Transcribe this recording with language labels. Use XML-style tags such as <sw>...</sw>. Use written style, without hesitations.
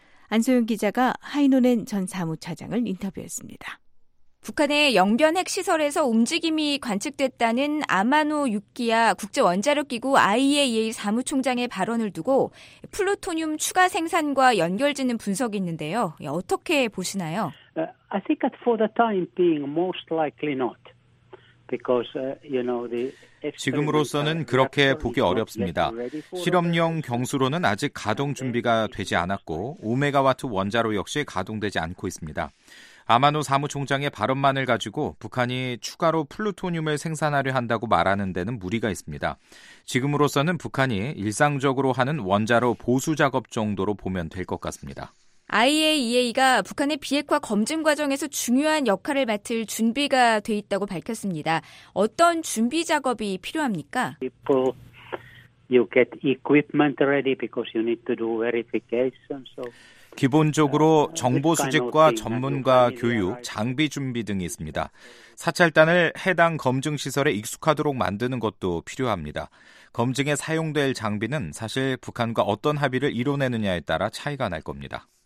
<ko>안소영 기자가 하이노넨 전 사무차장을 인터뷰했습니다. 북한의 영변 핵시설에서 움직임이 관측됐다는 아마노 유키야 국제원자력기구 IAEA 사무총장의 발언을 두고 플루토늄 추가 생산과 연결지는 분석이 있는데요. 어떻게 보시나요?</ko> <en>I think that for the time being, most likely not.</en> <ko>지금으로서는 그렇게 보기 어렵습니다. 실험용 경수로는 아직 가동 준비가 되지 않았고 오메가와트 원자로 역시 가동되지 않고 있습니다. 아마노 사무총장의 발언만을 가지고 북한이 추가로 플루토늄을 생산하려 한다고 말하는 데는 무리가 있습니다. 지금으로서는 북한이 일상적으로 하는 원자로 보수 작업 정도로 보면 될 것 같습니다. IAEA가 북한의 비핵화 검증 과정에서 중요한 역할을 맡을 준비가 돼 있다고 밝혔습니다. 어떤 준비 작업이 필요합니까?</ko> <en>You get equipment ready because you need to do verification.</en> <ko>기본적으로 정보 수집과 전문가 교육, 장비 준비 등이 있습니다. 사찰단을 해당 검증 시설에 익숙하도록 만드는 것도 필요합니다. 검증에 사용될 장비는 사실 북한과 어떤 합의를 이뤄내느냐에 따라 차이가 날 겁니다.</ko>